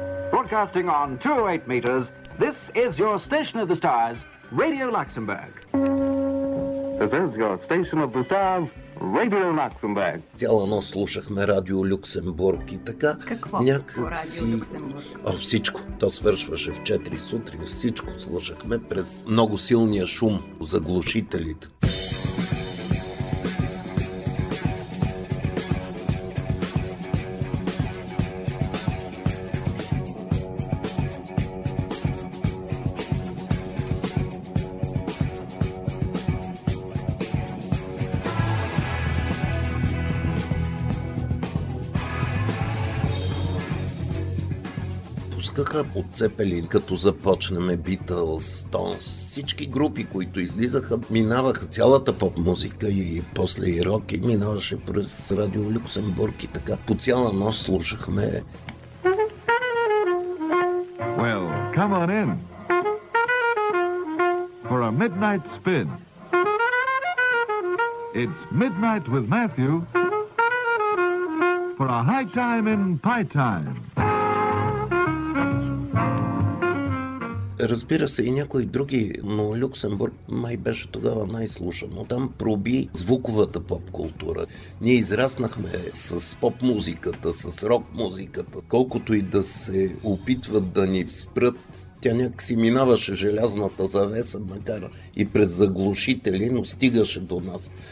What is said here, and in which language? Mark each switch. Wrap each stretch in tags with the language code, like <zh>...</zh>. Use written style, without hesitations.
<en>Broadcasting on 208 meters, this is your station of the stars, Radio Luxembourg. This is your station of the stars, Radio Luxembourg.</en> <bg>Цяла нощ слушахме Радио Люксембург и така. Какво? Някак Радио си... Люксембург? О, всичко. То свършваше в 4 сутрин. Всичко слушахме през много силния шум за глушителите. Отцепели, като започнеме Beatles, Stones, всички групи, които излизаха, минаваха цялата поп-музика и после и рок, и минаваше през Радио Люксембург и така. По цяла нощ слушахме.</bg> <en>Well, come on in for a midnight spin. It's midnight with Matthew for a high time in pie time.</en> <bg>Разбира се, и някои други, но Люксембург май беше тогава най-слушано. Там проби звуковата поп-култура. Ние израснахме с поп-музиката, с рок-музиката. Колкото и да се опитват да ни спрат, тя някакси минаваше желязната завеса, макар и през заглушители, но стигаше до нас.</bg>